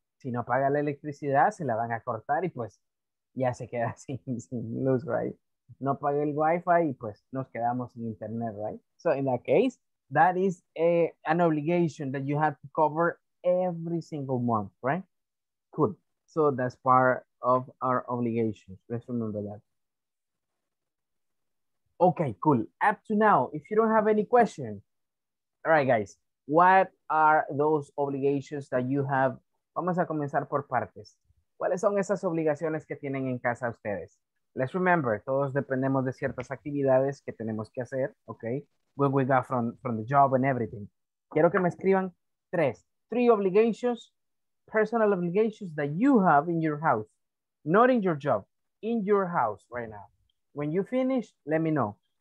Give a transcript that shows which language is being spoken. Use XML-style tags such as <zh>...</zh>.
<es>Si no paga la electricidad, se la van a cortar y pues ya se queda sin luz, right? No paga el Wi-Fi y pues nos quedamos sin internet, right?</es> <en>So in that case, that is an obligation that you have to cover every single month, right? Cool. So that's part of our obligations. Let's remember that. Okay, cool. Up to now, if you don't have any questions, all right, guys, what are those obligations that you have?</en> <es>Vamos a comenzar por partes. ¿Cuáles son esas obligaciones que tienen en casa ustedes?</es> <en>Let's remember,</en> <es>todos dependemos de ciertas actividades que tenemos que hacer, okay?</es> <en>When we got from the job and everything.</en> <es>Quiero que me escriban</es> <en>three obligations, personal obligations that you have in your house. Not in your job, in your house right now. When you finish, let me know.</en>